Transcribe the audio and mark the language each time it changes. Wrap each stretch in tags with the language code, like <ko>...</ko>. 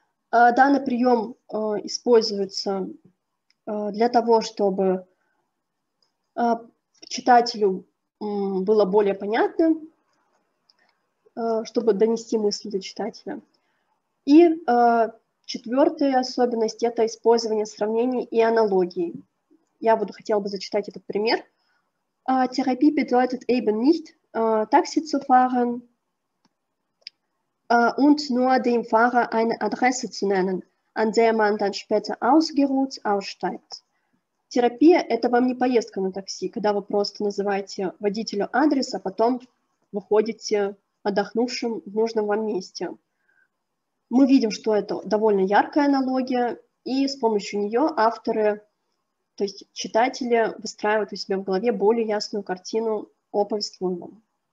<ru>Данный прием используется для того, чтобы читателю было более понятно, чтобы донести мысли до читателя. И четвертая особенность – это использование сравнений и аналогий. Я буду хотела бы зачитать этот пример.</ru> <de>Therapie bedeutet eben nicht, Taxi zu fahren und nur dem Fahrer eine Adresse zu nennen, an der man dann später ausgeruht aussteigt.</de> <ru>Терапия – это вам не поездка на такси, когда вы просто называете водителю адрес, а потом выходите отдохнувшим в нужном вам месте. Мы видим, что это довольно яркая аналогия, и с помощью нее авторы, то есть читатели, выстраивают у себя в голове более ясную картину о повествуемом.</ru>